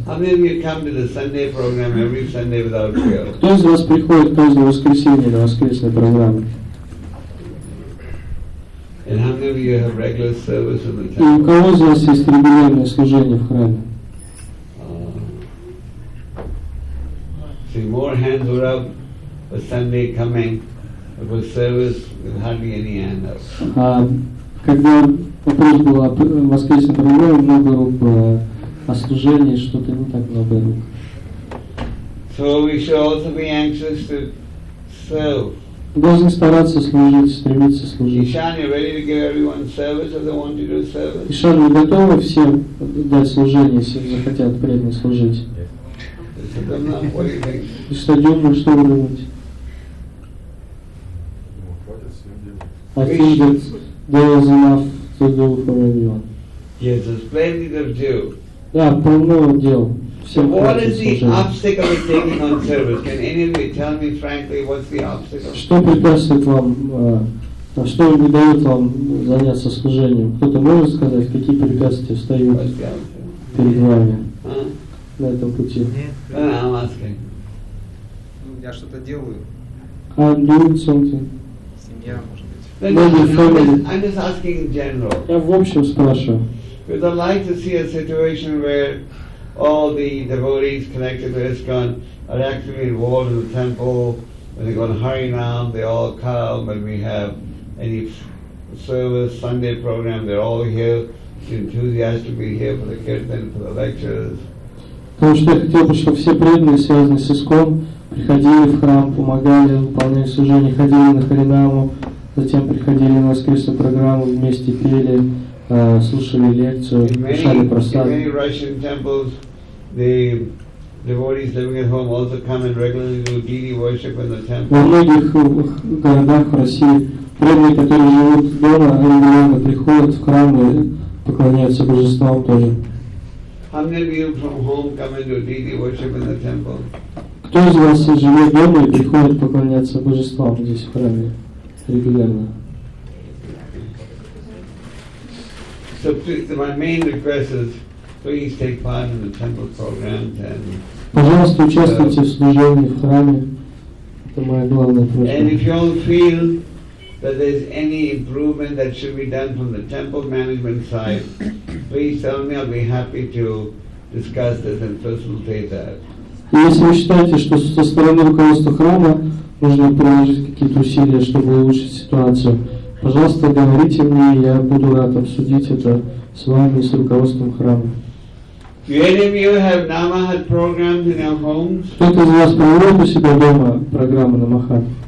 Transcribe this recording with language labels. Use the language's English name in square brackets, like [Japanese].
[English] How many of you come to the Sunday program every Sunday without fail? [Russian] Кто из вас приходит каждое воскресенье на воскресную программу? [English] And how many of you have regular service in the temple? [Russian] И у кого из вас есть регулярное служение в храме? [English] See, more hands were up for Sunday coming. was service with hardly any anger. [Russian] Когда вопрос был о воскресе другой, много рук, о служении, что-то не так много рук. [English] So we should also be anxious to serve. [Russian] Должны стараться служить, стремиться служить. [English] Ishan, you ready to give everyone service if they want you to do service? [Russian] Ishan, вы готовы всем дать служение, если захотят преданно служить? [English] Yes. What do you think? [Russian] Что вы думаете? [English] I think that there is enough to do for everyone. Yes, there's plenty to do. [Russian] Yeah, полно дел. [English] So what is the obstacle of taking on service? Can any of you tell me frankly what's the obstacle? [Russian] Что препятствует вам, что не дает вам заняться служением? Кто-то может сказать, какие препятствия встают перед вами на этом пути? Нет, [English] I'm asking. [Russian] Я что-то делаю. [English] I'm doing something. [Russian] Семья, может быть. [English] I'm just asking in general. [Russian] Я в общем спрашиваю. [English] Would I like to see a situation where all the devotees connected to ISKCON are actually involved in the temple, when they go to Harinam, they all come, when we have any service, Sunday program, they're all here, it's enthusiastic to be here for the kirtan, for the lectures. [Russian] Потому что я хотел бы, чтобы все преданные, связанные с ИСКОН, приходили в храм, помогали, выполняли служение, ходили на Харинаму, затем приходили на воскресную программу, вместе пели, слушали лекцию, писали просад. [English] In many Russian temples, the devotees living at home also come and regularly do deity worship in the temple. [Russian] Во многих городах России преданные, которые живут дома, регулярно приходят в храм и поклоняются божествам тоже. [English] How many of you from home come and do deity worship in the temple? [Russian] Кто из вас живет дома и приходит поклоняться божествам здесь в храме регулярно? [English] So my main request is, please take part in the temple programs and. [Russian] Пожалуйста, участвуйте в служении в храме. Это моя главная просьба. [English] And if you all feel that there's any improvement that should be done from the temple management side, please tell me. I'll be happy to discuss this and facilitate that. [Russian] Если вы считаете, что со стороны руководства храма нужно приложить какие-то усилия, чтобы улучшить ситуацию, пожалуйста, говорите мне, я буду рад обсудить это с вами и с руководством храма. Кто-то из вас проводит у себя дома программу Намахат?